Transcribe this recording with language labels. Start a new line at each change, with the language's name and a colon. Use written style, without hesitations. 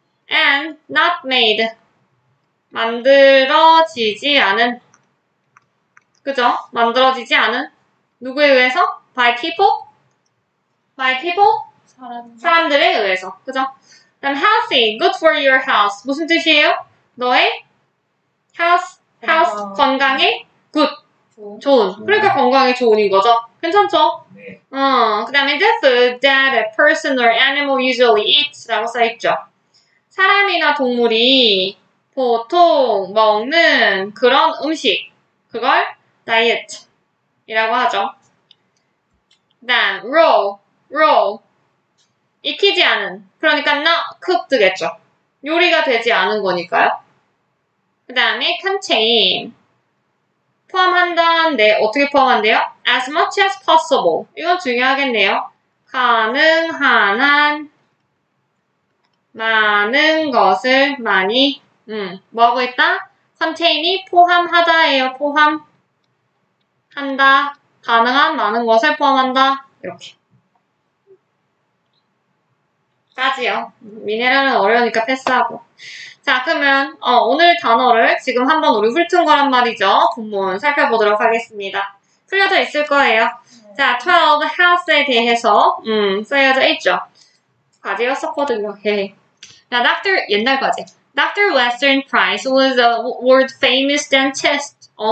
English: And not made.
Korean: 만들어지지 않은. 그죠? 만들어지지 않은. 누구에 의해서?
English: By people? By people?
Korean: 사람들에 의해서. 그죠? 다음, healthy.
English: Good for your health.
Korean: 무슨 뜻이에요? 너의 health 건강에 good. 좋은. 그러니까 건강에 좋은인 거죠. 괜찮죠? 네. 그 다음에
English: the food that a person or animal usually eats
Korean: 라고 써있죠. 사람이나 동물이 보통 먹는 그런 음식. 그걸 다이어트이라고 하죠. 그 다음, raw. 익히지 않은. 그러니까
English: not cooked
Korean: 겠죠. 요리가 되지 않은 거니까요. 그 다음에 contain. 포함한다는데 어떻게 포함한대요?
English: As much as possible.
Korean: 이건 중요하겠네요. 가능한 한 많은 것을 많이 뭐하고 있다? 컨테인이 포함하다예요. 포함한다. 가능한 많은 것을 포함한다. 이렇게. 까지요. 미네랄은 어려우니까 패스하고. 자, 그러면 오늘 단어를 지금 한번 우리 훑은 거란 말이죠. 본문 살펴보도록 하겠습니다. 풀려져 있을 거예요. 자, 12 house에 대해서 쓰여져 있죠. 과제였었거든요. 예. 자, Dr. 옛날 과제. Dr.
English: Western Price was a world famous dentist.